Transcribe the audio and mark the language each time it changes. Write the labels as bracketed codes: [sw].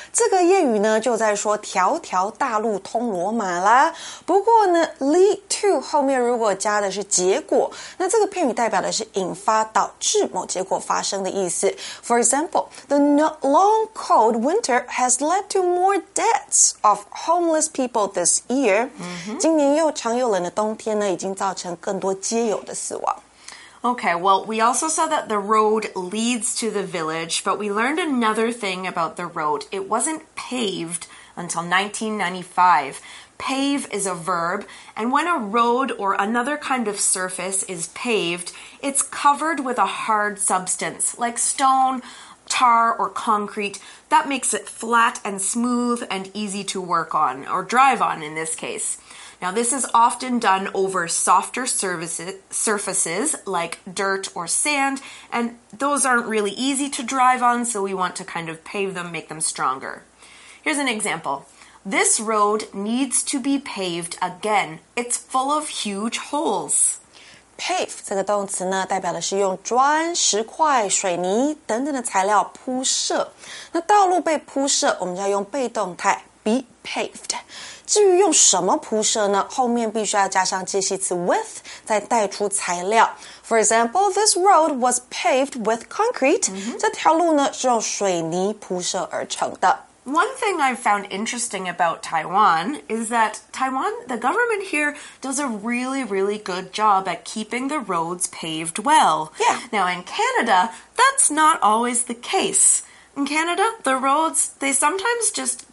[zh] 这个谚语呢就在说条条大路通罗马啦。不过呢 lead to 后面如果加的是结果那这个片语代表的是引发导致某结果发生的意思。 [en] For example, the long cold winter has led to more deaths of homeless people this year.、Mm-hmm. [zh] 今年又长又冷的冬天呢已经造成更多街友的死亡。 [en] Okay, well, we also saw that the road leads to the village, but we learned another thing about the road. It wasn't paved until 1995. Pave is a verb, and when a road or another kind of surface is paved, it's covered with a hard substance, like stone, tar, or concrete. That makes it flat and smooth and easy to work on, or drive on in this case. Now, this is often done over softer surfaces like dirt or sand, and those aren't really easy to drive on, so we want to kind of pave them, make them stronger. Here's an example. This road needs to be paved again. It's full of huge holes. [zh] Pave 这个动词呢代表的是用砖、石块、水泥等等的材料铺设。那道路被铺设我们就要用被动态 be paved。至于用什么铺设呢后面必须要加上介系词 with, 再带出材料。 [en] For example, this road was paved with concrete.、Mm-hmm. [zh] 这条路呢是用水泥铺设而成的。 [en] One thing I've found interesting about Taiwan is that Taiwan, the government here, does a really, really good job at keeping the roads paved well. Yeah. Now, in Canada, that's not always the case. In Canada, the roads, they sometimes just